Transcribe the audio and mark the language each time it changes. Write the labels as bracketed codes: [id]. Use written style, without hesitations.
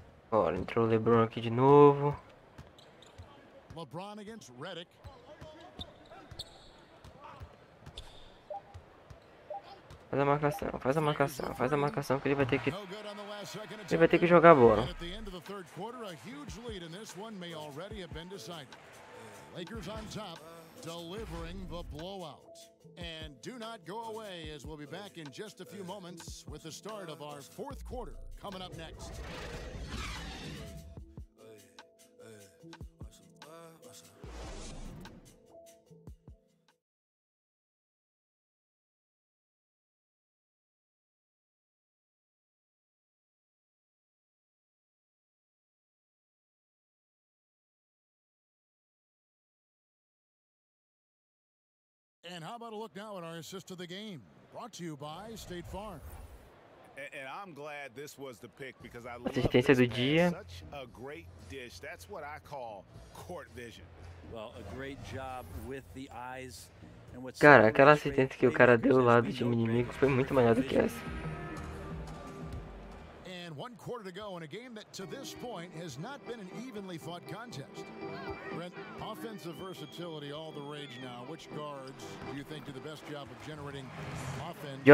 [pt] Bora, entrou o LeBron aqui de novo. [en] LeBron against Redick. [pt] Faz a marcação, faz a marcação, faz a marcação que ele vai ter que. Ele vai ter que jogar a bola. [en] At the end of the third quarter, a huge lead, and this one may already have been decided. Lakers on top, delivering the blowout. And do not go away, as we'll be back in just a few moments with the start of our fourth quarter coming up next. And how about a look now at our assist of the game, brought to you by State Farm. And I'm glad this was the pick because I love this pass. Such a great dish. That's what I call court vision. Well, a great job with the eyes. [pt] Cara, aquela assistência que o cara deu lá do time inimigo foi muito melhor do que essa. [en] And one quarter to go in a game that to this point has not been an evenly fought contest. Brent, offensive versatility all the rage now. Which guards do you think do the best job of generating offense?